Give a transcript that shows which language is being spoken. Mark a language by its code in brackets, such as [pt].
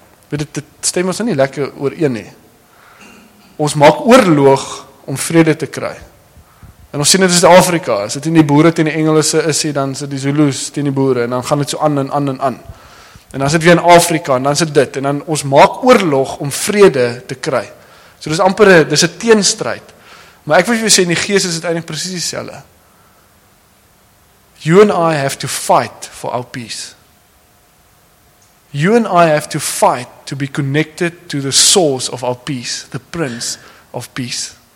[af] Weet dit stem ons nie lekker oor een nie. Ons maak oorlog om vrede te kry. En ons sien dit in Afrika, as dit in die boere teen die Engelse is, dan is dit die Zulus teen die boere, en dan gaan dit so aan en aan en aan. En dan is dit weer in Afrika, en dan is dit dit, en dan ons maak oorlog om vrede te kry. So dit is amper, dit is 'n teenstryd. Maar ek wil vir jou sê, in die gees is dit eintlik presies dieselfde. [en] You and I have to fight for our peace. You and I have to fight to be connected to the source of our peace, the Prince of Peace.